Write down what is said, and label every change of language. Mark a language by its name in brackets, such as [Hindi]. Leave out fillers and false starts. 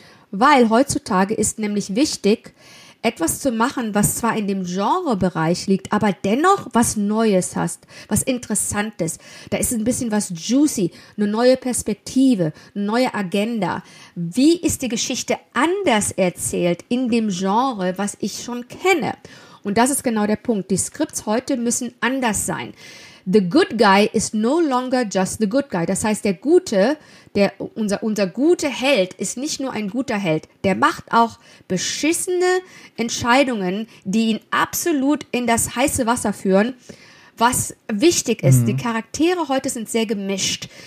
[German] Weil heutzutage ist nämlich wichtig, etwas zu machen, was zwar in dem Genrebereich liegt, aber dennoch was Neues hast, was Interessantes. Da ist ein bisschen was juicy, eine neue Perspektive, eine neue Agenda. Wie ist die Geschichte anders erzählt in dem Genre, was ich schon kenne? Und das ist genau der Punkt. Die Skripts heute müssen anders sein. [English] The good guy is no longer just the good guy. [German] Das heißt, der Gute, unser guter Held ist nicht nur ein guter Held. Der macht auch beschissene Entscheidungen, die ihn absolut in das heiße Wasser führen, was wichtig ist. Mhm. Die Charaktere heute sind sehr gemischt.